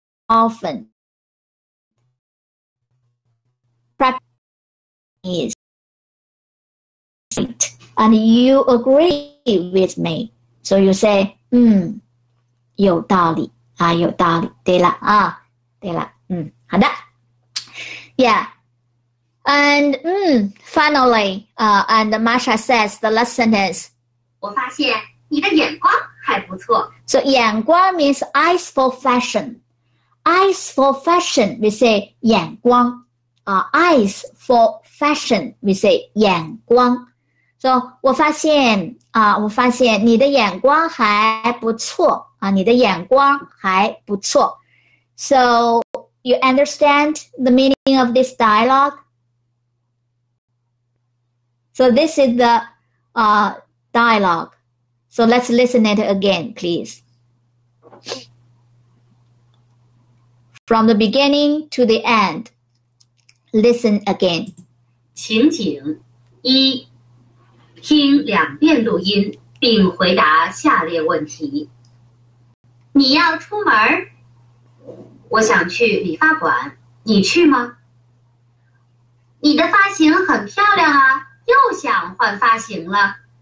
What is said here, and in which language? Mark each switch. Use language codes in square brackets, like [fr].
[en] Often, practice is, and you agree with me. So you say, [zh] 有道理啊，有道理，对了啊，对了，好的 ， [en] Yeah. And finally, and Masha says the last sentence. [zh] 我发现你的眼光还不错。 [en] So 眼光 means eyes for fashion. eyes for fashion, we say 眼光。 Eyes for fashion, we say 眼光。 [zh] So, 我发现你的眼光还不错。你的眼光还不错。 [en] So, you understand the meaning of this dialogue? So, this is the, dialogue. So, let's listen it again, please. From the beginning to the end, listen again. [zh] 情景一，听两遍录音并回答下列问题。你要出门？我想去理发馆，你去吗？你的发型很漂亮啊，又想换发型了。